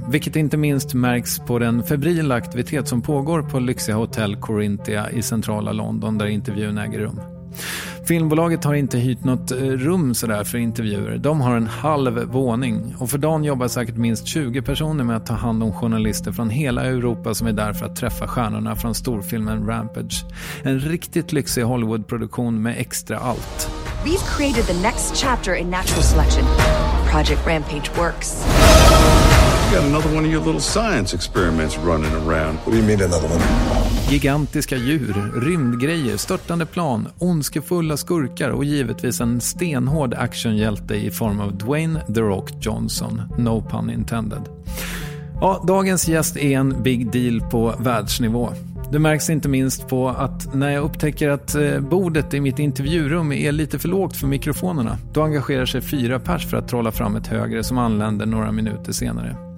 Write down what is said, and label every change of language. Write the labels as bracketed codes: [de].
[sv] Vilket inte minst märks på den febrila aktivitet som pågår på lyxiga hotell Corinthia i centrala London där intervjun äger rum. Filmbolaget har inte hyrt något rum sådär för intervjuer. De har en halv våning. Och för dagen jobbar säkert minst 20 personer med att ta hand om journalister från hela Europa som är där för att träffa stjärnorna från storfilmen Rampage. En riktigt lyxig Hollywood-produktion med extra allt. [en] We've created the next chapter in natural selection. Project Rampage works. You got another one of your little science experiments running around. What do you mean another one? [sv] Gigantiska djur, rymdgrejer, störtande plan, ondskefulla skurkar och givetvis en stenhård actionhjälte i form av Dwayne The Rock Johnson. [en] No pun intended. [sv] Ja, dagens gäst är en big deal på världsnivå. Det märks inte minst på att när jag upptäcker att bordet i mitt intervjurum är lite för lågt för mikrofonerna, då engagerar sig 4 pers för att trolla fram ett högre som anländer några minuter senare.